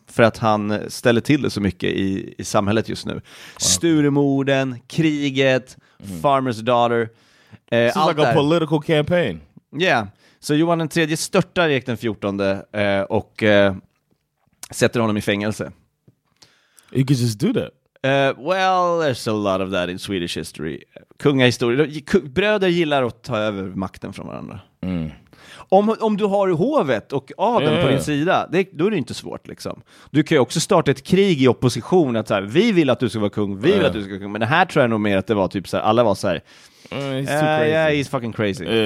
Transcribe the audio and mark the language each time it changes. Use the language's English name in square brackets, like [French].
[Swedish] För att han ställer till det så mycket i samhället just nu. [English] Wow. Sturemorden, kriget, farmer's daughter... It's like a political campaign. Yeah. [Swedish] Så Johan den tredje störtar Erik den 14 och sätter honom i fängelse. [English] You could just do that. Well, there's a lot of that in Swedish history. [Swedish] Kungahistoria. Bröder gillar att ta över makten från varandra. Mm. Om du har hovet och adeln på din sida, då är det inte svårt liksom. Du kan ju också starta ett krig i opposition att så här, vi vill att du ska vara kung, vi vill att du ska vara kung. Men det här tror jag nog mer att det var typ så här, alla var så här, [English] he's fucking crazy.